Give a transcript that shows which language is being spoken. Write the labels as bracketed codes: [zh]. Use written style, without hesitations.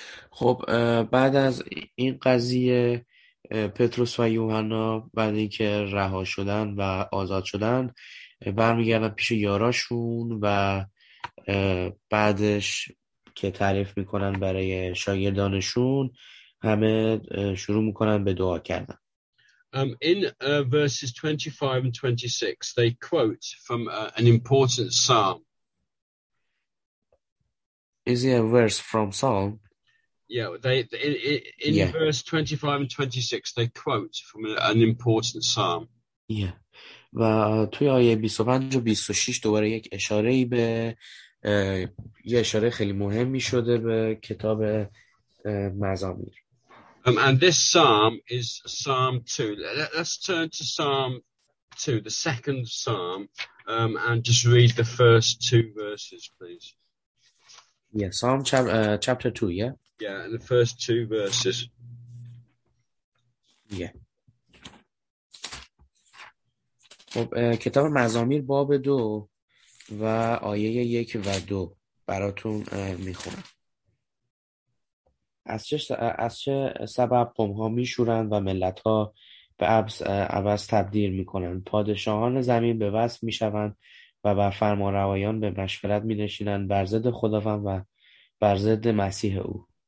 [fa] خب بعد از این قضیه پتروس و یوحنا بعد اینکه رها شدن و آزاد شدن برمیگردن پیش یاراشون و بعدش که تعریف میکنن برای شاگردانشون همه شروع میکنن به دعا کردن. [en] In verses 25 and 26 they quote from an important psalm. Is it a verse from Psalm? Yeah, in verse 25 and 26 they quote from an important psalm. Yeah. [fa] و توی آیه 25 و 26 دوباره یک اشاره‌ای به یه اشاره خیلی مهمی شده به کتاب مزامیر. [en] And this psalm is Psalm 2. Let's turn to Psalm 2, the second psalm, and just read the first two verses, please. Yeah, Psalm chapter 2, yeah? Yeah, and the first two verses. Yeah. [fa] خب کتاب مزامیر باب 2 و آیه 1 و 2 براتون میخونم. از چه سبب قوم ها میشورند و ملت ها به عبس تبدیل میکنند؟ پادشاهان زمین به وصف میشوند و بر فرمانروایان به مشورت مینشینند بر ضد خداوند و بر ضد مسیح او.